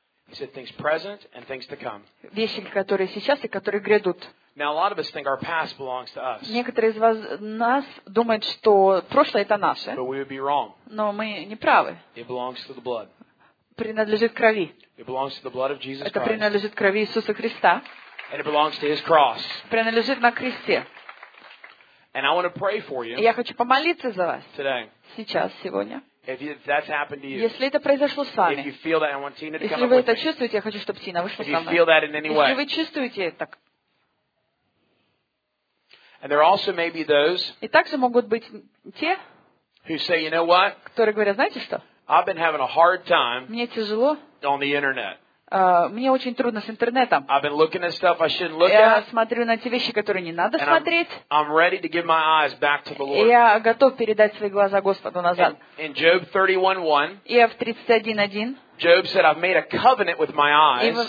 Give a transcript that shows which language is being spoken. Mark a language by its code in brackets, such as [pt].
[en] He said things present and things to come. [ru] Вещи, которые сейчас и которые грядут. [en] Now a lot of us think our past belongs to us. [ru] Некоторые из вас нас думают, что прошлое это наше. [en] But we would be wrong. [ru] Но мы не правы. [en] It belongs to the blood. [ru] Принадлежит крови. [en] It belongs to the blood of Jesus Christ. [ru] Это принадлежит крови Иисуса Христа. [en] And it belongs to His cross. [ru] Принадлежит на кресте. [en] And I want to pray for you. [ru] Я хочу помолиться за вас. [en] Today. [ru] Сейчас, сегодня. [en] If that's happened to you. [ru] Если это произошло с вами. [en] If you feel that, I want Tina to come with me. [ru] Если вы это чувствуете, я хочу, чтобы Тина вышла со мной. [en] If you feel that in any way. [ru] Если вы чувствуете это. [en] And there also may be those. [ru] И также могут быть те. [en] Who say, you know what? [ru] Которые говорят, знаете что? [en] I've been having a hard time. [ru] Мне тяжело. [en] On the internet. [ru] Мне очень трудно с интернетом. Я смотрю на те вещи, которые не надо смотреть. Я готов передать свои глаза Господу назад. И в 31.1 [en] Job said, I've made a covenant with my eyes